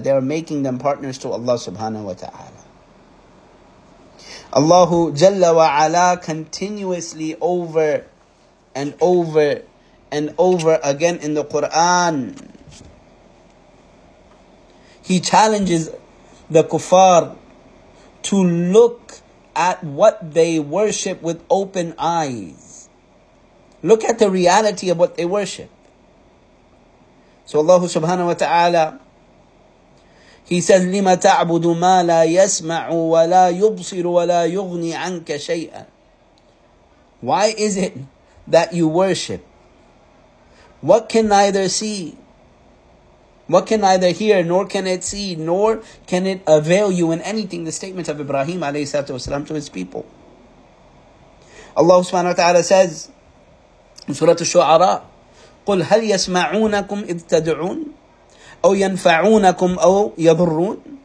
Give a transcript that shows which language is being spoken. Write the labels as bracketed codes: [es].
[en] They are making them partners to Allah subhanahu wa ta'ala. Allahu jalla wa ala continuously over and over and over again in the Quran, he challenges the kuffar to look at what they worship with open eyes. Look at the reality of what they worship. So Allah subhanahu wa ta'ala, he says, [ar] لِمَ تَعْبُدُ مَا لَا يَسْمَعُ وَلَا يُبْصِرُ وَلَا يُغْنِي عَنْكَ شَيْئًا. [en] Why is it that you worship what can neither see, what can neither hear, nor can it see, nor can it avail you in anything? The statement of Ibrahim alayhi salatu wasalam to his people. Allah subhanahu wa ta'ala says in Surah Al-Shu'ara, [ar] قُلْ هَلْ يَسْمَعُونَكُمْ إِذْ تَدْعُونَ أَوْ يَنْفَعُونَكُمْ أَوْ يَضُرُّونَ.